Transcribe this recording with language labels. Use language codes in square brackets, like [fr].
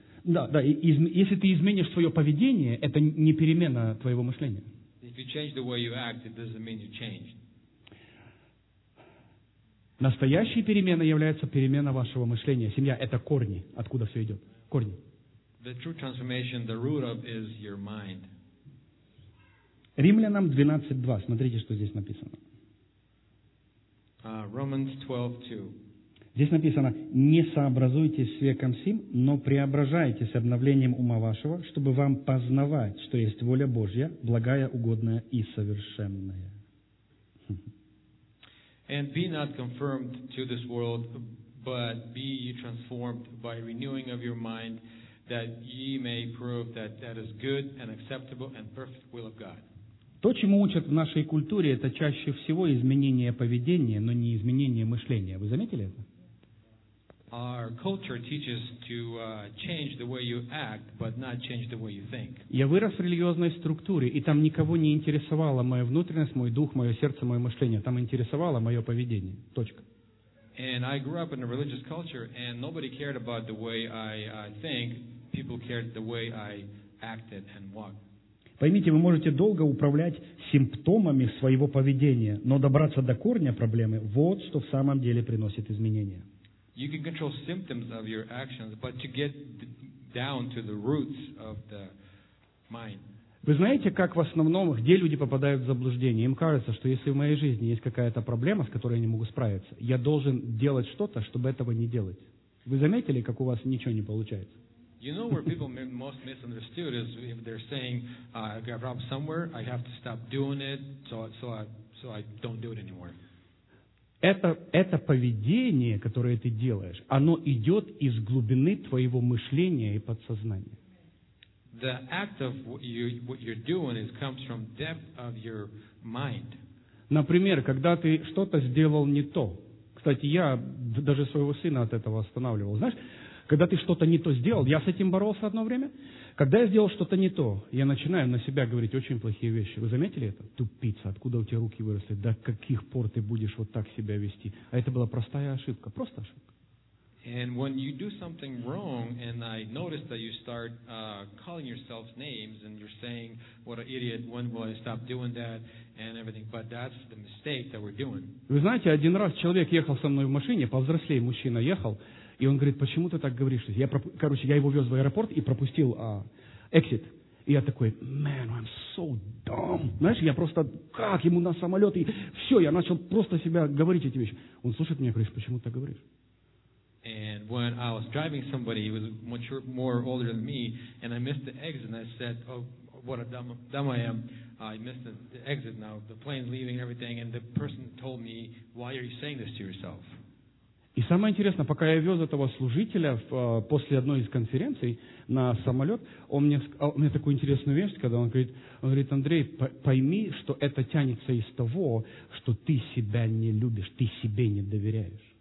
[ru] Да, да. Если ты изменишь свое поведение, это не перемена твоего мышления. [en] If you change the way you act, it doesn't mean you changed. [ru] Настоящая перемена является перемена вашего мышления. Семья — это корни, откуда все идет. Корни. [en] The true transformation, the root of, is your mind. [ru] Римлянам 12:2. Смотрите, что здесь написано. [en] Romans 12:2. [ru] Здесь написано: «Не сообразуйтесь с веком сим, но преображайтесь обновлением ума вашего, чтобы вам познавать, что есть воля Божья, благая, угодная и совершенная». [en] And be not conformed to this world, but be ye transformed by renewing of your mind, that ye may prove that that is good and acceptable and perfect will of God. [ru] То, чему учат в нашей культуре, это чаще всего изменение поведения, но не изменение мышления. Вы заметили это? [en] Our culture teaches to change the way you act, but not change the way you think. [ru] Я вырос в религиозной структуре, и там никого не интересовала моя внутренность, мой дух, мое сердце, мое мышление. Там интересовало мое поведение. Точка. [en] And I grew up in a religious culture, and nobody cared about the way I think. People cared the way I acted and walked. [ru] Поймите, вы можете долго управлять симптомами своего поведения, но добраться до корня проблемы – вот что в самом деле приносит изменения. [en] You can control symptoms of your actions, but to get down to the roots of the mind. [ru] Вы знаете, как в основном, где люди попадают в заблуждение? Им кажется, что если в моей жизни есть какая-то проблема, с которой я не могу справиться, я должен делать что-то, чтобы этого не делать. Вы заметили, как у вас ничего не получается? [en] You know where people most misunderstood is if they're saying, I got a problem somewhere, I have to stop doing it, so I don't do it anymore. [ru] Это поведение, которое ты делаешь, оно идет из глубины твоего мышления и подсознания. [en] The act of what you're doing is comes from depth of your mind. [ru] Например, когда ты что-то сделал не то. Кстати, я даже своего сына от этого останавливал. Знаешь, когда ты что-то не то сделал, я с этим боролся одно время. Когда я сделал что-то не то, я начинаю на себя говорить очень плохие вещи. Вы заметили это? Тупица, откуда у тебя руки выросли? До каких пор ты будешь вот так себя вести? А это была простая ошибка, просто ошибка. [en] And when you do something wrong, and I notice that you start calling yourself names, and you're saying, what an idiot, when will I stop doing that, and everything, but that's the mistake that we're doing. [ru] Вы знаете, один раз человек ехал со мной в машине, повзрослее мужчина ехал, и он говорит, почему ты так говоришь? Я его вез в аэропорт и пропустил exit. И я такой, [en] man, I'm so dumb. [ru] Знаешь, я просто, как ему на самолет? И все, я начал просто себя говорить эти вещи. Он слушает меня, говорит, почему ты так говоришь? [en] And when I was driving somebody, he was much more older than me, and I missed the exit, and I said, oh, what a dumb I am. I missed the exit now. The plane's leaving and everything, and the person told me, why are you saying this to yourself? [ru] И самое интересное, пока я вез этого служителя после одной из конференций на самолет, он мне такую интересную вещь сказал, он говорит, Андрей, пойми, что это тянется из того, что ты себя не любишь, ты себе не доверяешь.